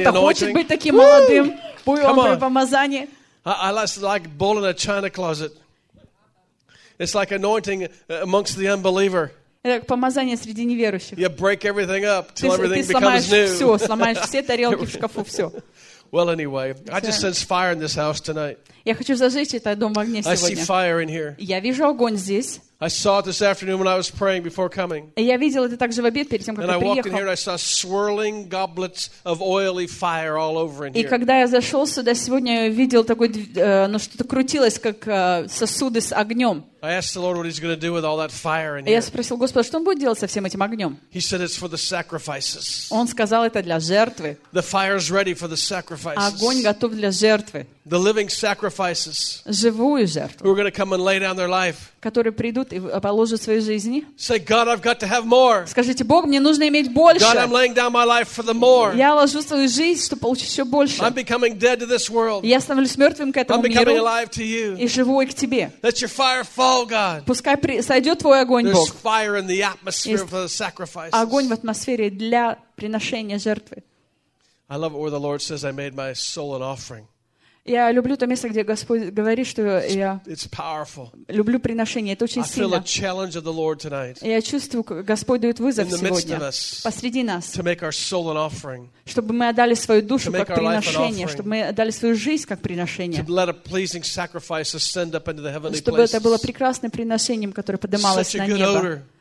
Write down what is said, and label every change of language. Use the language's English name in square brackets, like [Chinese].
[Russian] Кто-то хочет быть таким молодым буйволом при помазании? [English] I like bull in a china closet. It's like anointing amongst the unbeliever. [Russian] Итак, помазание среди неверующих. [English] You break everything up till everything becomes new. [Russian] Ты сломаешь все, сломаешь все тарелки в шкафу, все. [English] Well, anyway, I just sense fire in this house tonight. [Russian] Я хочу зажечь этот дом в огне сегодня. [English] I see fire in here. [Russian] Я вижу огонь здесь. [English] I saw it this afternoon when I was praying before coming. [Russian] Я видел это также в обед перед тем, как я приехал. [English] And I walked in here and I saw swirling goblets of oily fire all over in here. [Russian] И когда я зашел сюда сегодня, я видел такой, что-то крутилось, как сосуды с огнем. [English] I asked the Lord what He's going to do with all that fire in here. [Russian] Я спросил Господа, что Он будет делать со всем этим огнем? [English] He said it's for the sacrifices. [Russian] Он сказал, это для жертвы. [English] The fire is ready for the sacrifices. [Russian] Огонь готов для жертвы. [English] The living sacrifices. [Russian] Живую жертву. [English] Who are going to come and lay down their life? [Russian] Которые придут и положат свои жизни. [English] Say, God, I've got to have more. [Russian] Скажите, Бог, мне нужно иметь больше. [English] God, I'm laying down my life for the more. [Russian] Я ложу свою жизнь, чтобы получить еще больше. [English] I'm becoming dead to this world. [Russian] Я становлюсь мертвым к этому [English] I'm becoming Alive to you. [Russian] И живой к тебе. [English] Let your fire fall, God. [Russian] Пускай сойдет твой огонь, [English] There's [Russian] Бог. [English] Fire in the atmosphere for the sacrifices. [Russian] Огонь в атмосфере для приношения жертвы. [English] I love it where the Lord says, I made my soul an offering. [Russian] Я люблю то место, где Господь говорит, что я люблю приношение. Это очень сильно. Я чувствую, как Господь дает вызов сегодня посреди нас, чтобы мы отдали свою душу как приношение, чтобы мы отдали свою жизнь как приношение, чтобы это было прекрасным приношением, которое поднималось на небо.